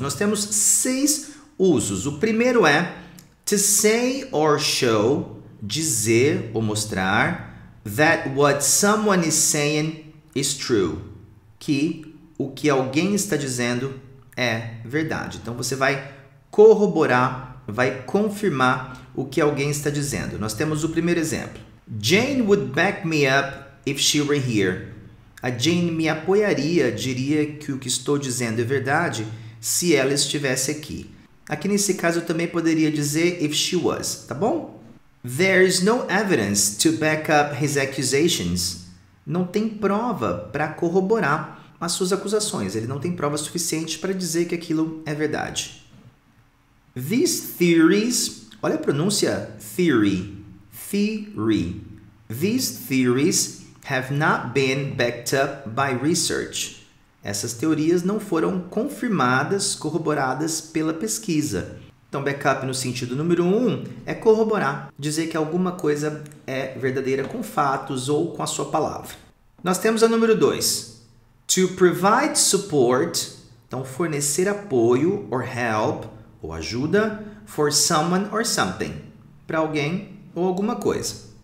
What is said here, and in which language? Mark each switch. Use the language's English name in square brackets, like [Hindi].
[Portuguese] Nós temos 6 usos. O primeiro é [English] to say or show, [Portuguese] dizer ou mostrar, [English] that what someone is saying is true, [Portuguese] que o que alguém está dizendo é verdade. Então você vai corroborar, vai confirmar o que alguém está dizendo. Nós temos o primeiro exemplo. [English] Jane would back me up if she were here. [Portuguese] A Jane me apoiaria, diria que o que estou dizendo é verdade, se ela estivesse aqui. Aqui nesse caso eu também poderia dizer [English] if she was, [Portuguese] tá bom? [English] There is no evidence to back up his accusations. [Portuguese] Não tem prova para corroborar as suas acusações. Ele não tem prova suficiente para dizer que aquilo é verdade. [English] These theories, [Portuguese] olha a pronúncia, [English] theory, theory. These theories have not been backed up by research. [Portuguese] Essas teorias não foram confirmadas, corroboradas pela pesquisa. Então, backup no sentido número 1 é corroborar, dizer que alguma coisa é verdadeira com fatos ou com a sua palavra. Nós temos a número 2. [English] To provide support, [Portuguese] então fornecer apoio [English] or help [Portuguese] ou ajuda [English] for someone or something, [Portuguese] para alguém ou alguma coisa.